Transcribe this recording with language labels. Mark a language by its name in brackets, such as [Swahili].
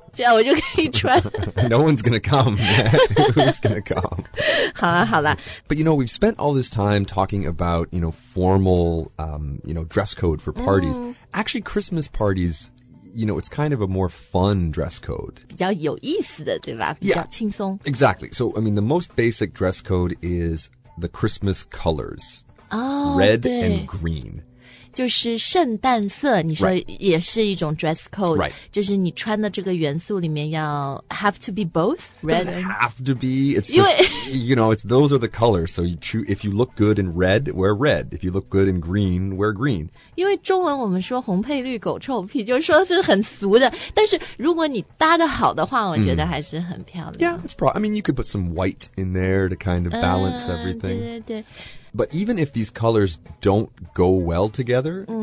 [Chinese] 这样我就可以穿。 [English] No one's gonna come. Who's gonna come? [Chinese] 好啊，好啦。 [English] But you know, we've spent all this time talking about you know formal you know dress code for parties.、Mm. Actually, Christmas parties. You know, it's kind of a more fun dress code. [Chinese] 比较有意思的对吧比较轻松 [English] yeah, Exactly. So, I mean, the most basic dress code is the Christmas colors. Oh, red and green. [Chinese] 就是圣诞色你说也是一种 dress code. [English] Right. [Chinese] 就是你穿的这个元素里面要 [English] have to be both red. Doesn't have to be. It's just, you know, it's, those are the colors. So, if you look good in red, wear red. If you look good in green, wear green. [Chinese] 因为中文我们说红配绿狗臭屁就是说是很俗的但是如果你搭得好的话我觉得还是很漂亮、 mm. [English] Yeah, it's probably I mean, you could put some white in there to kind of balance everything [Chinese] 对 [English] But even if these colors don't go well together、mm.